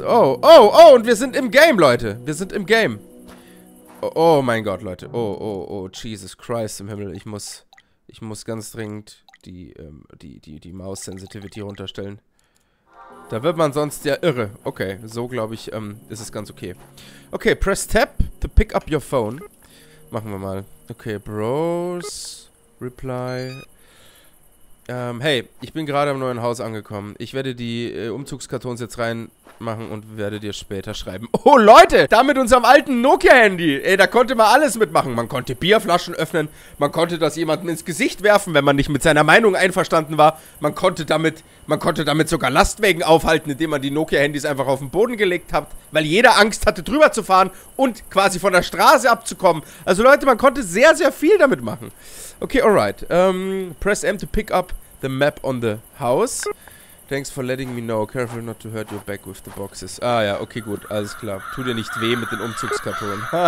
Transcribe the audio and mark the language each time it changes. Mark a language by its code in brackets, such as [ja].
[de] Oh, oh, oh, und wir sind im Game, Leute. Wir sind im Game. Oh, oh mein Gott, Leute. Oh, oh, oh, Jesus Christ im Himmel. Ich muss ganz dringend die Maus-Sensitivity runterstellen. Da wird man sonst ja irre. Okay, so glaube ich, ist es ganz okay. [en] Okay, press tap to pick up your phone. [de] Machen wir mal. Okay, Bros, reply... hey, ich bin gerade am neuen Haus angekommen. Ich werde die Umzugskartons jetzt reinmachen und werde dir später schreiben. Oh, Leute, da mit unserem alten Nokia-Handy. Ey, da konnte man alles mitmachen. Man konnte Bierflaschen öffnen. Man konnte das jemandem ins Gesicht werfen, wenn man nicht mit seiner Meinung einverstanden war. Man konnte damit sogar Lastwagen aufhalten, indem man die Nokia-Handys einfach auf den Boden gelegt hat, weil jeder Angst hatte, drüber zu fahren und quasi von der Straße abzukommen. Also, Leute, man konnte sehr, sehr viel damit machen. [en] Okay, alright. Press M to pick up the map on the house. Thanks for letting me know. Careful not to hurt your back with the boxes. [de] Ah ja, okay, gut. Alles klar. Tu dir nicht weh mit den Umzugskartonen.